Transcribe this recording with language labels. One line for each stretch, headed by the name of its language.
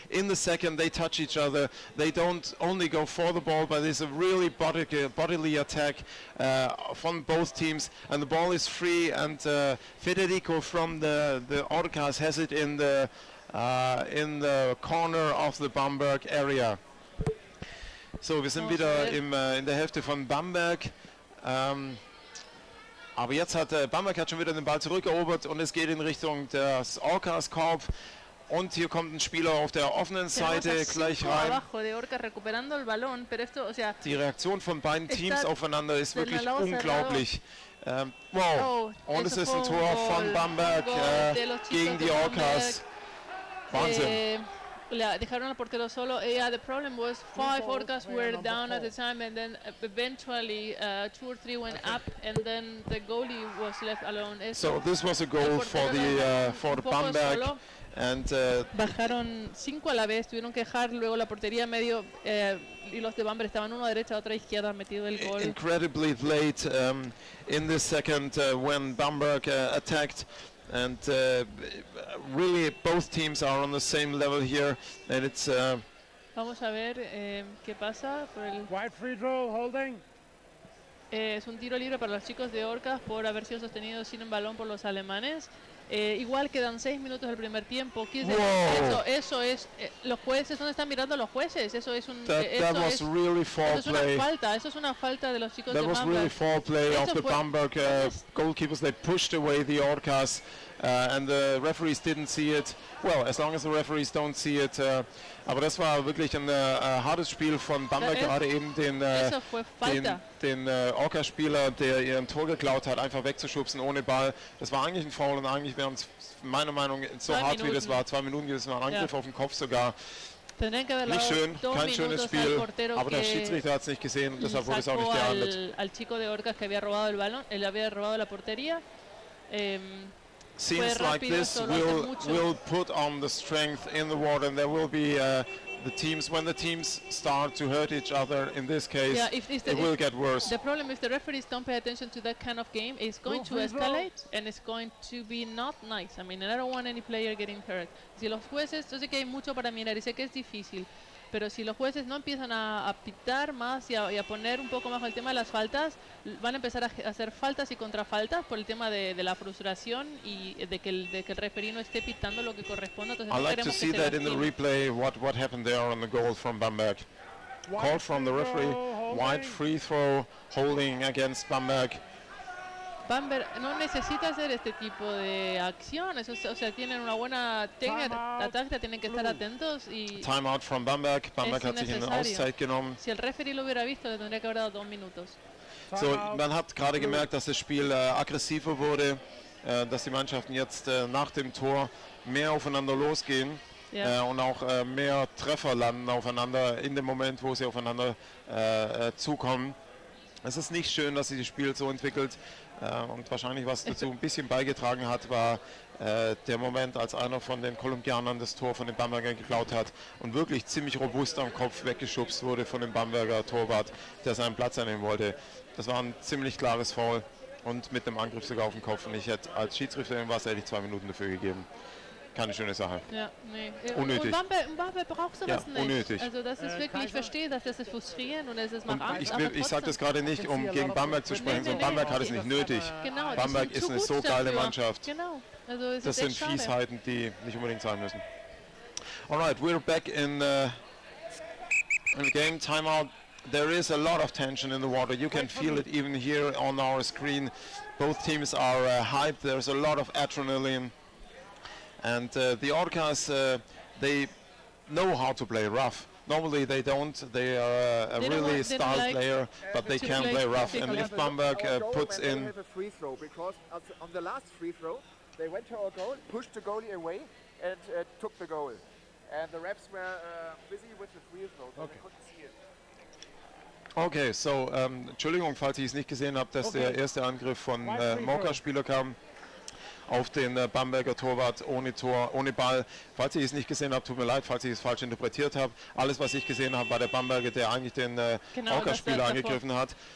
English: In the second they touch each other, they don't only go for the ball, but it's a really bodily attack from both teams, and the ball is free, and Federico from the Orcas has it in the corner of the Bamberg area.
German: So wir sind wieder in der Hälfte von Bamberg. Aber jetzt hat Bamberg hat schon wieder den Ball zurückerobert, und es geht in Richtung des Orcas Korb. Und hier kommt ein Spieler auf der offenen Seite gleich rein.
Spanish: Abajo de Orca recuperando el balón, pero esto, o sea,
German: die Reaktion von beiden Teams aufeinander ist wirklich unglaublich. Wow, oh, und es ist ein Tor von Bamberg gegen die Orcas. Wahnsinn.
Spanish: Dejaron al portero solo.
English: Yeah, the problem was five Orcas were down at the time, and then eventually two or three went up, and then the goalie was left alone. So this was a goal for Bamberg. And
Spanish: bajaron cinco a la vez, tuvieron que dejar luego la portería medio y los de Bamberg estaban uno a derecha, otro a izquierda, metido el gol.
English: Incredibly late in this second when Bamberg attacked, and really both teams are on the same level here, and it's
Spanish: vamos a ver qué pasa por el
English: wide free throw holding.
Spanish: Es un tiro libre para los chicos de Orcas por haber sido sostenido sin un balón por los alemanes. Igual quedan 6 minutos del primer tiempo. Eso es los jueces, ¿dónde están mirando los jueces? Eso es un eso es una falta de los chicos
English: that
Spanish: de Bamberg.
English: That was really foul play of the Bamberg goalkeepers. They pushed away the Orcas and the referees didn't see it. Well, as long as the referees don't see it.
German: Aber das war wirklich ein hartes Spiel von Bamberg, gerade eben den Orca-Spieler, der ihren Tor geklaut hat, einfach wegzuschubsen ohne Ball. Das war eigentlich ein Foul, und eigentlich wären es meiner Meinung nach so hart, wie das war. 2 Minuten, das war ein Angriff auf den Kopf sogar. Nicht schön, kein schönes Spiel, aber der Schiedsrichter hat es nicht gesehen, deshalb wurde es auch nicht gehandelt.
Spanish: Al chico de Orcas que había robado el balón, él había robado la portería.
English: Scenes like this will put on the strength in the water, and there will be the teams, when the teams start to hurt each other in this case, it will get worse. The problem is the referees don't pay attention to that kind of game, it's going to escalate and it's going to be not nice. I mean, I don't want any player getting hurt.
Spanish: Si los jueces, yo sé que hay mucho para mirar y sé que es difícil, pero si los jueces no empiezan a pitar más y a poner un poco más el tema de las faltas, van a empezar a hacer faltas y contrafaltas por el tema de la frustración y de que el referee no esté pitando lo que corresponde. Entonces
English: I'd like to see that in the replay, what happened there on the goal from Bamberg. Called from the referee, wide free throw holding against Bamberg.
Spanish: Bamberg no necesita hacer este tipo de acciones, o sea, tienen una buena táctica, tienen que estar atentos y
English: time out from Bamberg.
German: Bamberg hat sich in Auszeit genommen.
Spanish: Si el referee lo hubiera visto, le tendría que haber dado dos minutos.
German: So, man hat gerade gemerkt, dass das Spiel aggressiver wurde, dass die Mannschaften jetzt nach dem Tor mehr aufeinander losgehen und auch mehr Treffer landen aufeinander in dem Moment, wo sie aufeinander zukommen. Es ist nicht schön, dass sich das Spiel so entwickelt. Und wahrscheinlich, was dazu ein bisschen beigetragen hat, war der Moment, als einer von den Kolumbianern das Tor von den Bambergern geklaut hat und wirklich ziemlich robust am Kopf weggeschubst wurde von dem Bamberger Torwart, der seinen Platz einnehmen wollte. Das war ein ziemlich klares Foul und mit dem Angriff sogar auf den Kopf. Und ich hätte als Schiedsrichter was ehrlich 2 Minuten dafür gegeben. Keine schöne Sache. Ja, nee. Unnötig. Und Bamberg braucht sowas nicht. Unnötig. Also das ist wirklich, ich verstehe, dass das ist frustrierend und es ist mal Angst. Ich sage das gerade nicht, um gegen Bamberg zu sprechen, sondern Bamberg hat es nicht nötig. Genau, Bamberg ist eine so geile Mannschaft. Genau. Also es ist das sind Fiesheiten, die nicht unbedingt sein müssen.
English: Alright, we're back in the game. Timeout. There is a lot of tension in the water. You can feel it even here on our screen. Both teams are hyped. There's a lot of adrenaline. And the Orcas, they know how to play rough. Normally they don't, they are a really style like player, but they can play rough. And if Bamberg puts in a free throw, because on the last free throw, they went to our goal, pushed the goalie away, and took the goal. And the refs were busy with the free throw, so they couldn't see it.
German: Okay, so, Entschuldigung, falls ich es nicht gesehen habe, dass der erste Angriff von Mokka-Spieler kam auf den Bamberger Torwart ohne Tor, ohne Ball. Falls ich es nicht gesehen habe, tut mir leid, falls ich es falsch interpretiert habe. Alles, was ich gesehen habe, war der Bamberger, der eigentlich den Orca-Spieler angegriffen hat.